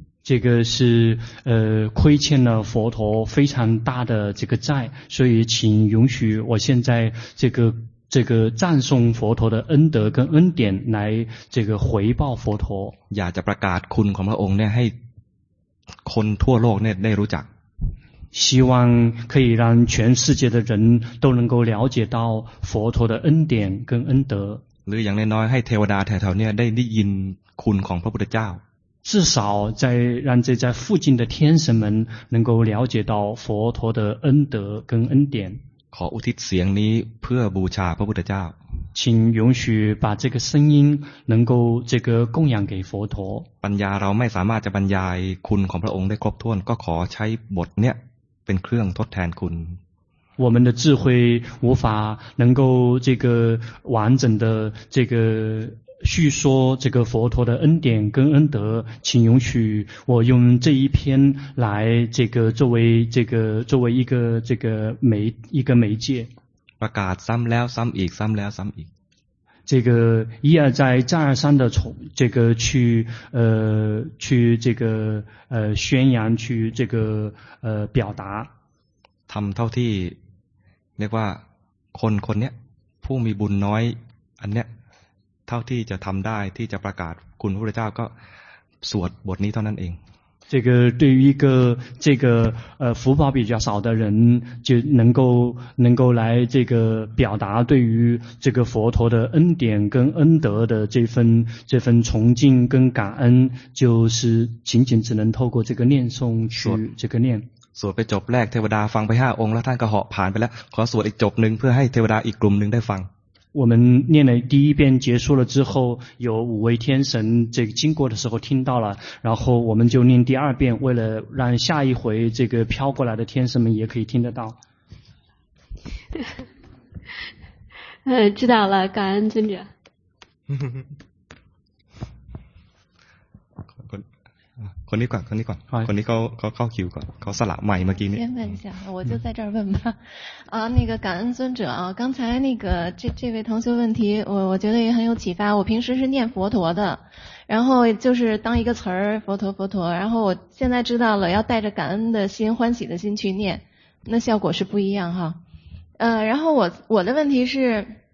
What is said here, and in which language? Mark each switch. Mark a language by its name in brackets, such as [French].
[Chinese] 这个是亏欠了佛陀非常大的这个债所以请允许我现在这个赞颂佛陀的恩德跟恩典来这个回报佛陀 [Thai] อยากจะประกาศคุณของพระองค์เนี่ยให้คนทั่วโลกเนี่ยได้รู้จัก [Chinese] 希望可以让全世界的人都能够了解到佛陀的恩典跟恩德 [Thai] หรืออย่างน้อยๆให้เทวดาแถวๆนี้ได้ยินคุณของพระพุทธเจ้า [Chinese] 至少在让这在附近的天神们能够了解到佛陀的恩德跟恩典 [Thai] ขออุทิศเสียงนี้เพื่อบูชาพระพุทธเจ้า [Chinese] 请允许把这个声音能够这个供养给佛陀 [Thai] ปัญญาเราไม่สามารถจะบรรยายคุณของพระองค์ได้ครบถ้วนก็ขอใช้บทเนี้ยเป็นเครื่องทดแทนคุณ [Chinese] 我们的智慧无法能够这个完整的这个叙说这个佛陀的恩典跟恩德请允许我用这一篇来这个作为这个作为一个这个媒一个媒介 [Thai] ประกาศซ้ำแล้วซ้ำอีกซ้ำแล้วซ้ำอีก [Chinese] 这个一而再再而三的从这个去去这个宣扬去这个表达 [Thai] ทำเท่าที่เรียกว่าคนคนเนี้ยผู้มีบุญน้อยอันเนี้ยเท่าที่จะทำได้ที่จะประกาศคุณพระเจ้าก็สวดบทนี้เท่านั้นเอง [Chinese] 这个对于一个这个福报比较少的人就能够来这个表达对于这个佛陀的恩典跟恩德的这份崇敬跟感恩就是仅仅只能透过这个念诵去这个念 [Thai] สวดไปจบแรกเทวดาฟังไป5องค์แล้วท่านก็เหาะผ่านไปแล้วขอสวดอีกจบนึงเพื่อให้เทวดาอีกกลุ่มนึงได้ฟัง [Chinese] 我们念了第一遍结束了之后有五位天神这个经过的时候听到了然后我们就念第二遍为了让下一回这个飘过来的天神们也可以听得到知道了感恩尊者 [Thai] คนนี้ก่อนคนนี้ก่อนคนนี้เขาคิวก่อนเขาสละไมค์เมื่อกี้นี้ [Chinese] 先问一下我就在这儿问吧那个感恩尊者啊刚才那个这位同学问题我觉得也很有启发我平时是念佛陀的然后就是当一个词儿佛陀佛陀然后我现在知道了要带着感恩的心欢喜的心去念那效果是不一样哈然后我的问题是